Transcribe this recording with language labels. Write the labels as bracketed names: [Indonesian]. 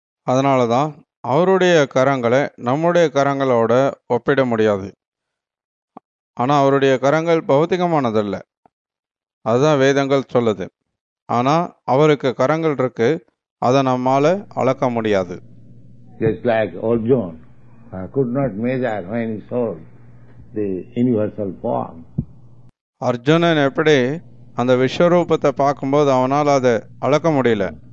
[Tamil] அதனால தான் அவருடைய கரங்களை நம்முடைய கரங்களோட ஒப்பிட முடியாது. ஆனால் அவருடைய கரங்கள் பௌத்திகமானதல்ல. அதுதான் வேதங்கள் சொல்லுது. ஆனால் அவருக்கு கரங்கள் இருக்கு, அதை நம்மால் அளக்க முடியாது. [English] Just like Arjuna could not measure when he saw the universal form. [Tamil] Arjunan எப்படி அந்த விஸ்வரூபத்தை பார்க்கும்போது அவனால் அதை அளக்க முடியல.